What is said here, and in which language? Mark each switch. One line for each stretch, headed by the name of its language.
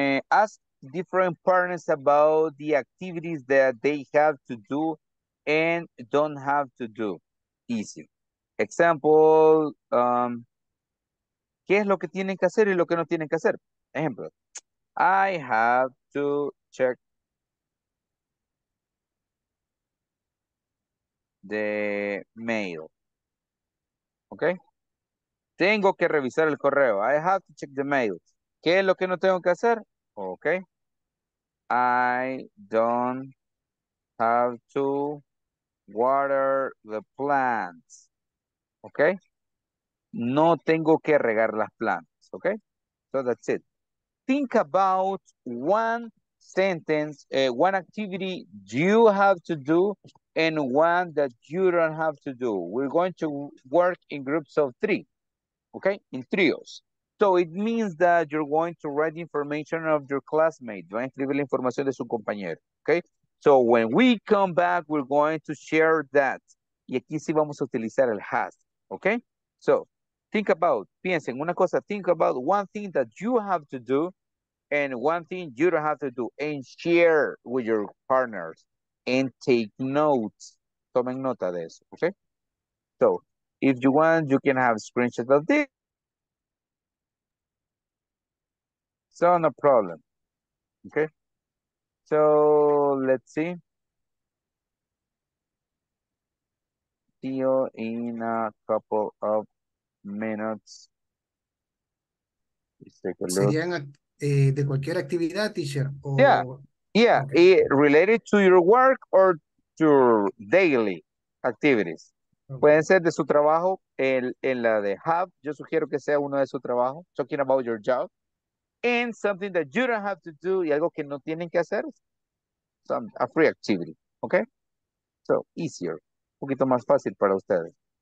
English: Ask different partners about the activities that they have to do and don't have to do. Easy.
Spanish: Example, ¿qué es lo que tienen que hacer y lo que no tienen que hacer?
English: Ejemplo, I have to check the mail. Okay?
Spanish: Tengo que revisar el correo.
English: I have to check the mail.
Spanish: ¿Qué es lo que no tengo que hacer?
English: Okay. I don't have to water the plants. Okay?
Spanish: No tengo que regar las plantas.
English: Okay? So that's it. Think about one sentence, one activity you have to do and one that you don't have to do. We're going to work in groups of three. Okay? In trios. So it means that you're going to write information of your classmate.
Spanish: Va a escribir la información de su compañero.
English: Okay? So when we come back, we're going to share that.
Spanish: Y aquí sí vamos a utilizar el has.
English: Okay? So think about,
Spanish: piensen una cosa,
English: think about one thing that you have to do and one thing you don't have to do and share with your partners and take notes.
Spanish: Tomen nota de eso.
English: Okay? So if you want, you can have screenshots of this. So no problem, okay? So let's see. See you in a couple of minutes. Let's take a look.
Spanish: Serían de cualquier actividad, teacher?
English: Or... Yeah, yeah. Okay. It related to your work or to your daily activities. Okay.
Spanish: Pueden ser de su trabajo, en la de have. Yo sugiero que sea uno de su trabajo.
English: Talking about your job. And something that you don't have to do,
Spanish: y algo que no tienen que hacer,
English: some, a free activity, okay? So, easier,
Spanish: un poquito más fácil para ustedes.